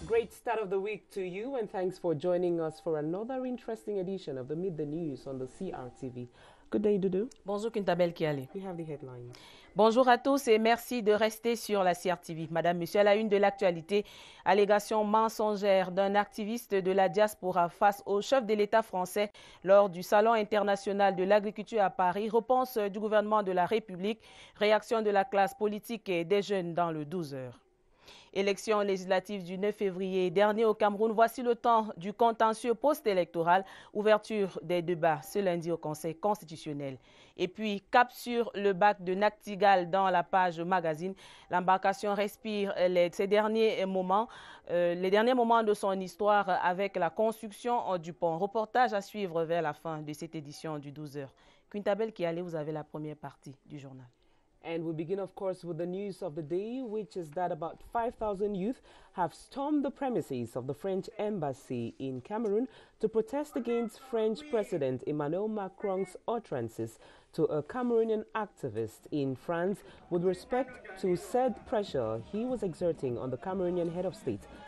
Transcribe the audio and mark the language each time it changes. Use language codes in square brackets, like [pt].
[en] start of the week to you, and thanks for joining us for another interesting edition of the Meet the News on the CRTV. Good day, Dudu. [fr] Bonjour, Kintabel Kiali. [en] We have the headlines. [fr] Bonjour à tous et merci de rester sur la CRTV. Madame, monsieur, à la une de l'actualité, allégation mensongère d'un activiste de la diaspora face au chef de l'État français lors du Salon international de l'agriculture à Paris. Réponse du gouvernement de la République, réaction de la classe politique et des jeunes dans le 12 heures. Élections législatives du 9 février dernier au Cameroun, voici le temps du contentieux post-électoral, ouverture des débats ce lundi au Conseil constitutionnel. Et puis, cap sur le bac de Nactigal dans la page magazine, l'embarcation respire les derniers moments de son histoire avec la construction du pont. Reportage à suivre vers la fin de cette édition du 12 heures. Quintabel Kiali, vous avez la première partie du journal. [en] And we begin, of course, with the news of the day, which is that about 5,000 youth have stormed the premises of the French embassy in Cameroon to protest against French President Emmanuel Macron's utterances to a Cameroonian activist in France with respect to said pressure he was exerting on the Cameroonian head of state.